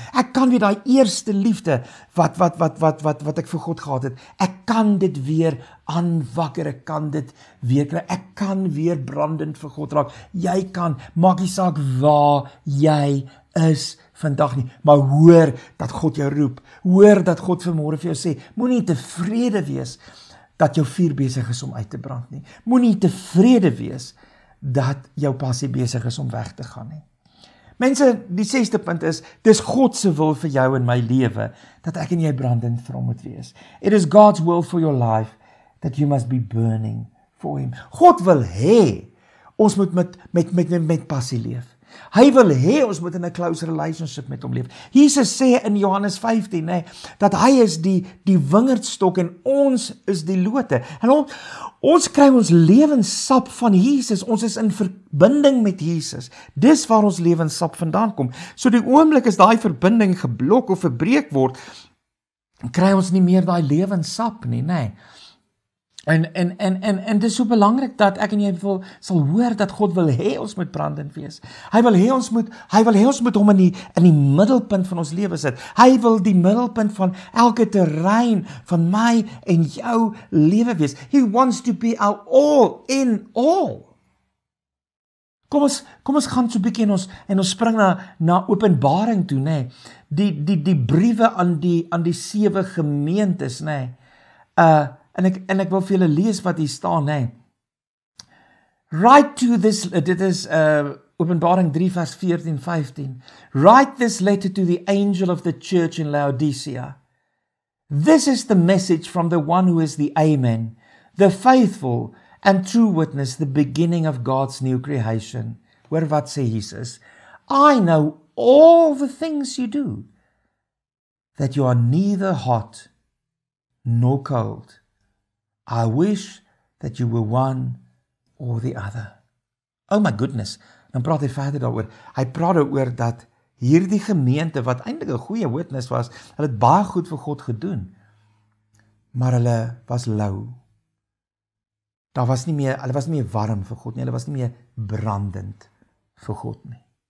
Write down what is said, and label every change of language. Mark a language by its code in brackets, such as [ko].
[af] Ek kan weer die eerste liefde, wat ek vir God gehad het, ek kan dit weer aanwakker, ek kan dit weer kry, ek kan weer brandend vir God raak, jy kan, maak die saak waar jy is vandag nie, maar hoor dat God jou roep, hoor dat God vanmôre vir jou sê, moenie tevrede wees dat jou vuur besig is om uit te brand nie, moenie tevrede wees dat jou passie besig is om weg te gaan nie. Mense, die sesde punt is, dis God se wil vir jou in my lewe, dat ek en jy brandend vir hom moet wees. [en] It is God's will for your life, that you must be burning for him. [af] God wil hê, ons moet met passie leef. Hy wil hê ons moet in 'n close relationship met hom leef. Jesus sê in Johannes 15, nee, dat hy is die wingerdstok en ons is die lote. En ons kry ons lewenssap van Jesus, ons is in verbinding met Jesus. Dis waar ons lewenssap vandaan kom. So die oomblik as daai verbinding geblok of verbreek word, kry ons nie meer daai lewenssap nie, nee. En dit is so belangrik dat ek en jy sal hoor dat God wil hê ons moet brandend wees. Hy wil hê ons moet hom in die middelpunt van ons lewe sit. Hy wil die middelpunt van elke terrein van my en jou lewe wees. [en] He wants to be our all in all. [af] Kom ons gaan so 'n bietjie en ons spring na Openbaring toe, nê. Die briewe aan die sewe gemeentes, nê. En ek wil vir julle lees wat hier staan, hè. Write to this, dit is Openbaring 3 vers 14, 15. [en] Write this letter to the angel of the church in Laodicea. This is the message from the one who is the Amen, the faithful and true witness, the beginning of God's new creation. Hoor wat sê Jesus. I know all the things you do, that you are neither hot nor cold. I wish that you were one or the other. [af] Oh my goodness. Dan praat hy verder daaroor. Hy praat daaroor dat hierdie gemeente, wat eintlik 'n goeie witness was, hulle het baie goed vir God gedoen, maar hulle was lou. Daar was nie meer, hulle was nie meer warm vir God nie, hulle was nie meer brandend vir God nie.